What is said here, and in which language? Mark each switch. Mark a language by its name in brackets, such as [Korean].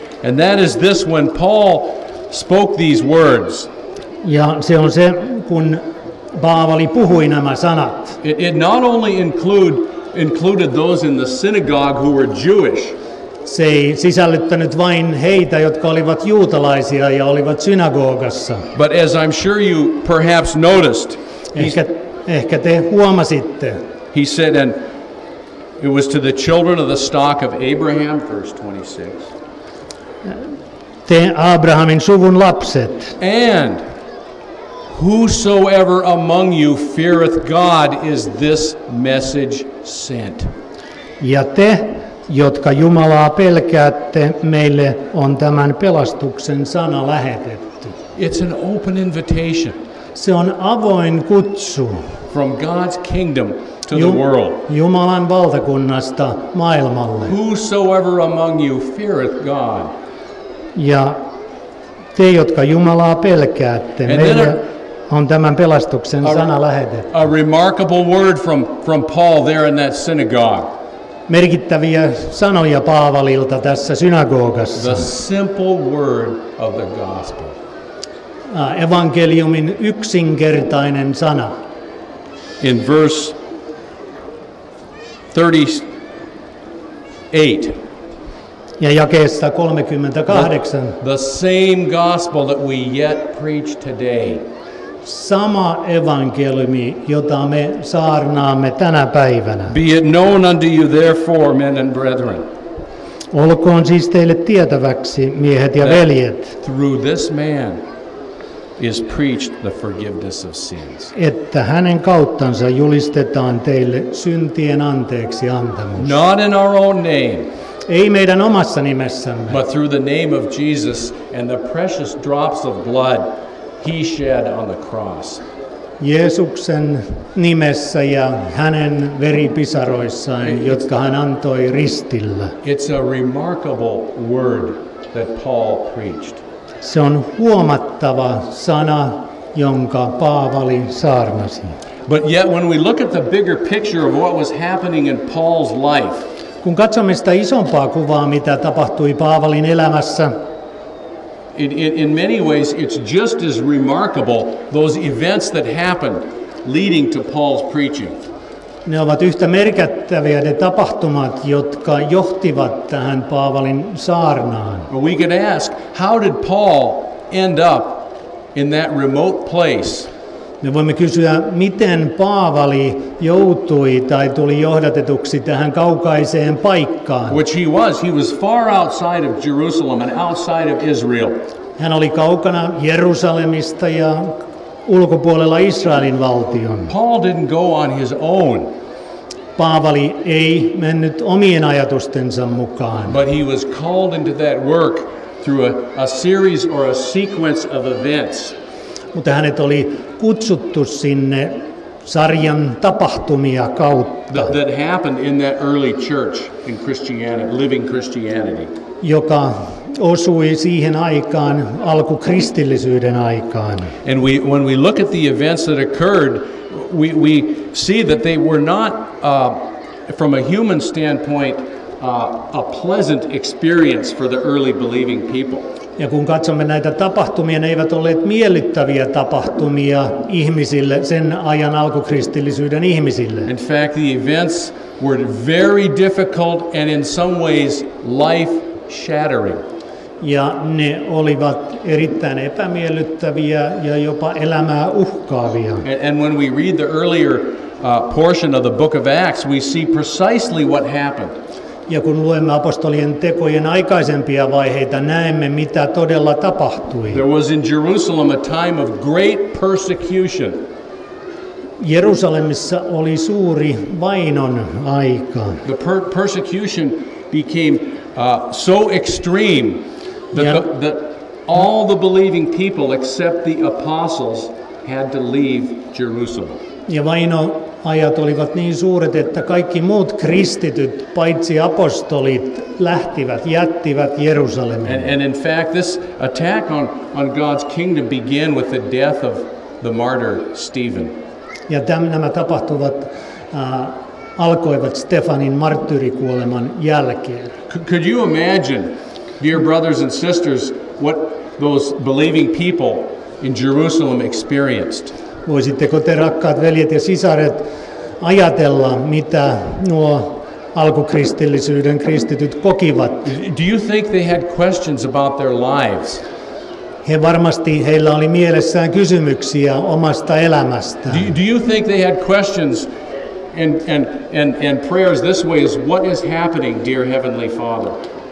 [English] And that is this, when Paul spoke these words. [Finnish] Ja se on se, kun Paavali puhui nämä sanat. [English] It not only included those in the synagogue who were Jewish. [Finnish] Se ei sisällyttänyt vain heitä, jotka olivat juutalaisia ja olivat synagogassa. [English] But as I'm sure you perhaps noticed. [Finnish] Ehkä te huomasitte. [English] He said, and it was to the children of the stock of Abraham, verse 26. [Finnish] Te Abrahamin suvun lapset. [English] And whosoever among you feareth God is this message sent. [Finnish] Ja te, jotka Jumalaa pelkäätte, meille on tämän pelastuksen sana lähetetty. [English] It's an open invitation. [Finnish] Se on avoin kutsu. [English] From God's kingdom to the world. [Finnish] Jumalan valtakunnasta maailmalle. [English] Whosoever among you feareth God. [Finnish] Ja te, jotka Jumalaa pelkäätte, meille on tämän pelastuksen sana lähetetty. [English] A remarkable word from Paul there in that synagogue. [Finnish] Merkittäviä sanoja Paavalilta tässä synagogassa. [English] The simple word of the gospel. [Finnish] Evankeliumin yksinkertainen sana. [English] In verse 38. [Finnish] Ja jakeessa 38. [English] The same gospel that we yet preach today. [Finnish] Sama evankeliumi, jota me saarnaamme tänä päivänä. [English] Be it known unto you therefore, men and brethren. [Finnish] Olkoon siis teille tietäväksi, miehet ja veljet. [English] Through this man is preached the forgiveness of sins. [Finnish] Että hänen kauttansa julistetaan teille syntien anteeksi antamus. [English] Not in our own name. [Finnish] Ei meidän omassa nimessämme. [English] But through the name of Jesus and the precious drops of blood he shed on the cross. [Finnish] Jeesuksen nimessä ja hänen veripisaroissaan, jotka hän antoi ristillä. [English] It's a remarkable word that Paul preached. [Finnish] Se on huomattava sana, jonka Paavali saarnasi. [English] But yet when we look at the bigger picture of what was happening in Paul's life, [Finnish] kun katsomme sitä isompaa kuvaa, mitä tapahtui Paavalin elämässä, [English] in many ways it's just as remarkable those events that happened leading to Paul's preaching. [Finnish] Ne ovat yhtä merkittäviä ne tapahtumat, jotka johtivat tähän Paavalin saarnaan. [English] We could ask, how did Paul end up in that remote place? [Finnish] Me voimme kysyä, miten Paavali joutui tai tuli johdatetuksi tähän kaukaiseen paikkaan. [English] Which he was far outside of Jerusalem and outside of Israel. [Finnish] Hän oli kaukana Jerusalemista ja ulkopuolella Israelin valtion. [English] Paul didn't go on his own. [Finnish] Paavali ei mennyt omien ajatustensa mukaan. [English] But he was called into that work through a series or a sequence of events. [Finnish] Mutta hänet oli kutsuttu sinne sarjan tapahtumia kautta. [English] That happened in that early church in Christianity, living Christianity. [Finnish] Joka osui siihen aikaan, alkukristillisyyden aikaan. [English] And when we look at the events that occurred, we see that they were not, from a human standpoint, a pleasant experience for the early believing people. [Finnish] Ja kun katsomme näitä tapahtumia, ne eivät olleet miellyttäviä tapahtumia ihmisille, sen ajan alkukristillisyyden ihmisille. [English] In fact, the events were very difficult and in some ways life-shattering. [Finnish] Ja ne olivat erittäin epämiellyttäviä ja jopa elämää uhkaavia. [English] And when we read the earlier portion of the book of Acts, we see precisely what happened. [Finnish] Ja kun luemme apostolien tekojen aikaisempia vaiheita, näemme mitä todella tapahtui. [English] There was in Jerusalem a time of great persecution. [Finnish] Jerusalemissa oli suuri vainon aika. [English] The persecution became so extreme that all the believing people except the apostles had to leave Jerusalem. [Finnish] Ja vaino ajat olivat niin suuret, että kaikki muut kristityt, paitsi apostolit, jättivät Jerusalemin. [English] And in fact, this attack on God's kingdom began with the death of the martyr Stephen. [Finnish] Ja nämä tapahtuvat alkoivat Stefanin marttyyrikuoleman jälkeen. [English] Could you imagine, dear brothers and sisters, what those believing people in Jerusalem experienced? [Finnish] Voisitteko te, rakkaat veljet ja sisaret, ajatella, mitä nuo alkukristillisyyden kristityt kokivat? [English] Do you think they had questions about their lives? [Finnish] He varmasti, heillä oli mielessään kysymyksiä omasta elämästä. [English] Do you think they had questions and prayers this way is, what is happening, dear Heavenly Father?